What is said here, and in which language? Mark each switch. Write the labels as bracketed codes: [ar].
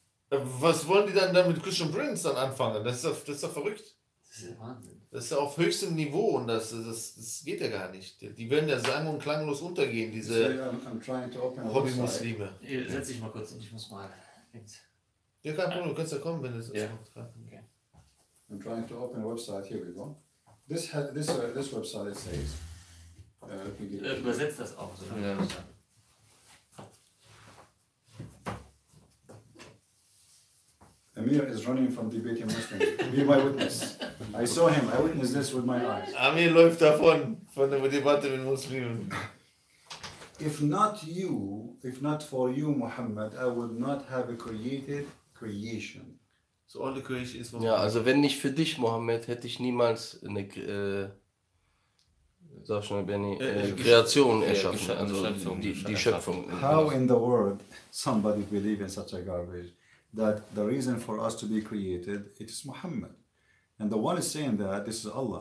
[de] Was wollen die dann mit Christian Prince dann anfangen? Das ist doch verrückt. Das ist ja Wahnsinn. Das ist ja auf höchstem Niveau und das geht ja gar nicht. Die werden ja sang- und klanglos untergehen, diese Hobby-Muslime. Ja, setz dich mal kurz und ich muss mal. Ja, kein Problem, du kannst ja kommen, wenn es ist. Ja. Okay. [en] I'm trying to open a website, here we go. This website, it says. [de] Übersetzt das auch so. Ja. [en] Amir is running from debating Muslims. Be my witness. I saw him. I witnessed this with my eyes. [de] Amir läuft davon, von der Debatte mit Muslimen. [en] If not for you, Muhammad, I would not have a created creation. So all the creation is for [de] Muhammad. Ja, also wenn nicht für dich, Muhammad, hätte ich niemals eine Kreation erschaffen. Also die Schöpfung. [en] How in the world somebody believe in such a garbage? That the reason for us to be created, it is Muhammad. And the one is saying that, this is Allah.